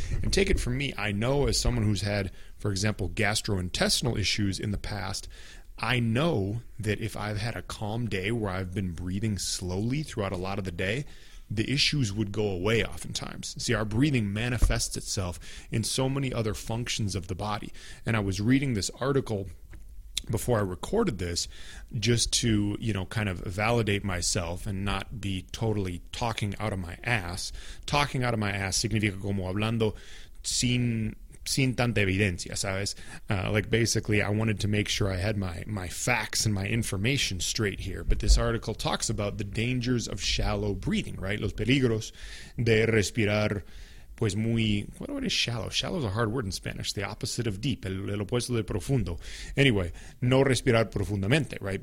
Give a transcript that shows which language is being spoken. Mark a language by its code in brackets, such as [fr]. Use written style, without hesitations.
[en] And take it from me, I know as someone who's had, for example, gastrointestinal issues in the past, I know that if I've had a calm day where I've been breathing slowly throughout a lot of the day, the issues would go away oftentimes. See, our breathing manifests itself in so many other functions of the body. And I was reading this article before I recorded this just to, you know, kind of validate myself and not be totally talking out of my ass. Talking out of my ass [es] significa como hablando sin tanta evidencia, ¿sabes? [en] Like basically, I wanted to make sure I had my facts and my information straight here. But this article talks about the dangers of shallow breathing, right? [es] Los peligros de respirar pues muy... [en] What is shallow? Shallow is a hard word in Spanish. The opposite of deep. [es] El opuesto de profundo. Anyway, no respirar profundamente, right?